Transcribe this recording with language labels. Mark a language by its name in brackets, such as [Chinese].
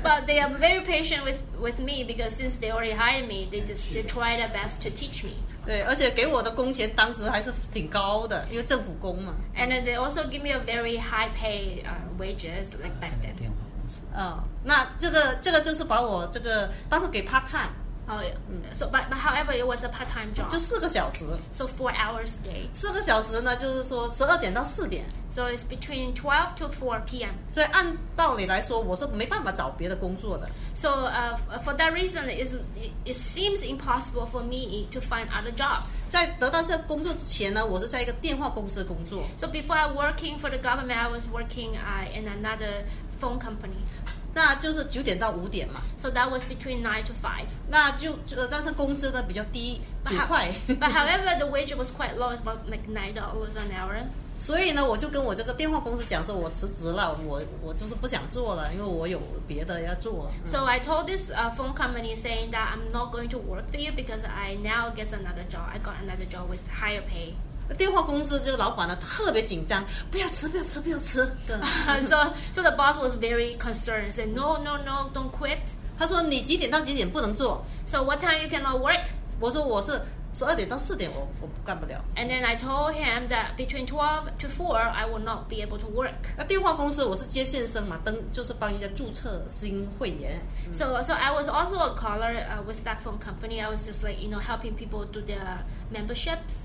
[English] But they are very patient with me because since they already hired me, they just try their best to teach me. [Chinese] 对，而且给我的工钱当时还是挺高的，因为政府工嘛。 [English] And they also give me a very high pay wages like back then. [Chinese] 电话公司。那这个就是把我这个当时给 part time。 [English] But however, it was a part-time job. [Chinese] 就四个小时。 [English] So 4 hours a day. [Chinese] 四个小时呢，就是说12点到4点。 [English] So it's between 12 to 4 p.m. [Chinese] 所以按道理来说，我是没办法找别的工作的。 [English] So for that reason, it seems impossible for me to find other jobs. [Chinese] 在得到这工作之前呢，我是在一个电话公司工作。 [English] So before I working for the government, I was working in another phone company. [Chinese] 那就是9点到5点嘛。 [English] So that was between 9 to 5. [Chinese] 那就但是工资呢比较低，9块。 [English] But however, the wage was quite low, about like $9 an hour. [Chinese] 所以呢，我就跟我这个电话公司讲说，我辞职了，我就是不想做了，因为我有别的要做。 [English] So I told this phone company saying that I'm not going to work for you because I now get another job. I got another job with higher pay. [Chinese] 电话公司这个老板呢特别紧张，不要吃，不要吃，不要吃。 [English] So the boss was very concerned, said, no, don't quit. [Chinese] 他说你几点到几点不能做。 [English] So what time you cannot work? [Chinese] 我说我是12点到4点，我干不了。 [English] And then I told him that between 12 to 4, I will not be able to work. [Chinese] 那电话公司我是接线生嘛，就是帮一下注册新会员。 [English] So I was also a caller with that phone company. I was just like, you know, helping people do their membership.